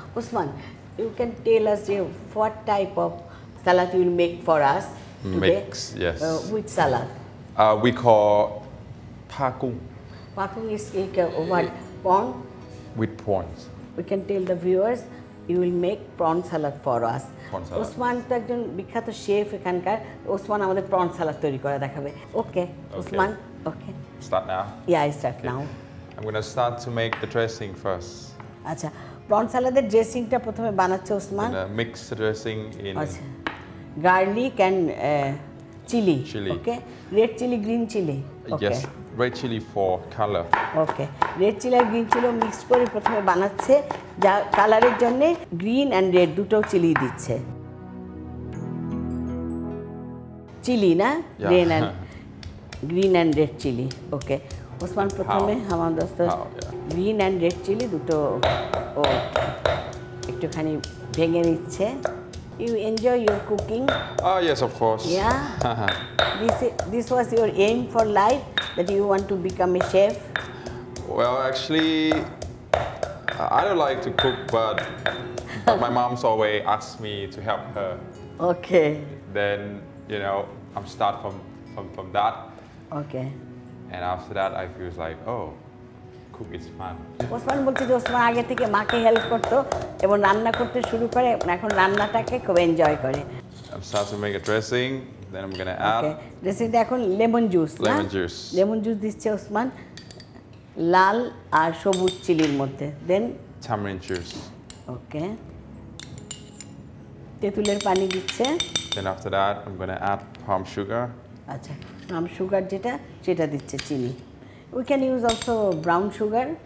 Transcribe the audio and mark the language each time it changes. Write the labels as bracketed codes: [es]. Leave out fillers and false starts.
[en] Usman, you can tell us what type of salad you will make for us today? Mix, yes. Which salad? We call pakung. Pakung is like what? Prawn? With prawns. We can tell the viewers you will make prawn salad for us. [bn] Osman তো একজন বিখ্যাত chef এখানকার, ওসমান আমাদের prawn সালাদ তৈরি করা দেখাবে। [en] Okay Osman, okay start now. Yeah, I start now. I am gonna start to make the dressing first. [bn] আচ্ছা, prawn সালাদের ড্রেসিংটা প্রথমে বানাচ্ছে Osman. [en] mix dressing in garlic and chilli, okay, red chilli, green chilli, okay, red chilli for colour, [bn] okay, red chilli আর green chilli mix করে প্রথমে বানাচ্ছে, যা কালারের জন্য green and red দুটো চিলি দিচ্ছে। চিলি না, [en] green and green and red chilli, [bn] ওকে ওসমান প্রথমে আমার দোস্ত গ্রিন এন্ড রেড চিলি দুটো ও একটুখানি ভেঙে নিচ্ছে। [en] You enjoy your cooking? Yes, of course. Yeah? this was your aim for life, that you want to become a chef? Well, actually, I don't like to cook, but my mom's always asks me to help her. Okay. Then, you know, I'm start from that. Okay. And after that, I feel like, oh, [bn] খুব [en] Is fun. [bn] Osman বলছে যে ওসমান আগে থেকে মাকে help করতো এবং রান্না করতে শুরু করে, এখন রান্নাটাকে খুব এনজয় করে। [en] I'm starting to make a dressing, then I'm going to add. Okay. This is [bn] এখন [en] lemon juice. Lemon juice. [bn] Lemon juice দিচ্ছে ওসমান লাল আর সবুজ চিলির মধ্যে. [en] Then tamarind juice. Okay. [bn] তেঁতুলের পানি দিচ্ছে. [en] Then after that I'm going to add palm sugar. [bn] আচ্ছা. Palm sugar যেটা সেটা দিচ্ছে চিনি. [en] We can use also brown sugar.